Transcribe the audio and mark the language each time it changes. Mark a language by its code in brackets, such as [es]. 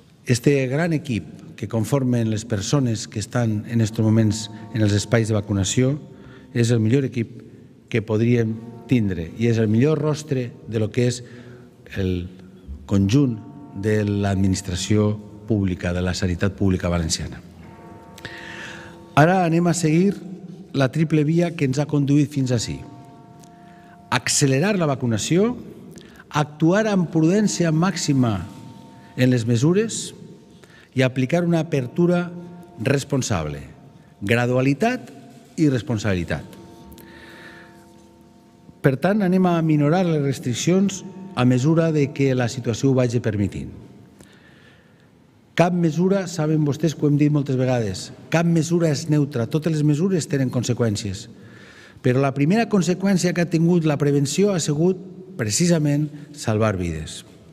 [ca] Aquest gran equip que conformen les persones que estan en aquests moments en els espais de vacunació és el millor equip que podríem tindre i és el millor rostre del que és el conjunt de l'administració pública, de la sanitat pública valenciana. Ara anem a seguir la triple via que ens ha conduït fins ací. Accelerar la vacunació, actuar amb prudència màxima en les mesures [es] y aplicar una apertura responsable, gradualidad y responsabilidad. [ca] Per tant, anem a minorar les restriccions a mesura de que la situació ho vagi permitint. Cap mesura, saben vostès que ho hem dit moltes vegades, cap mesura és neutra, totes les mesures tenen conseqüències. Però la primera conseqüència que ha tingut la prevenció ha sigut precisament salvar vides.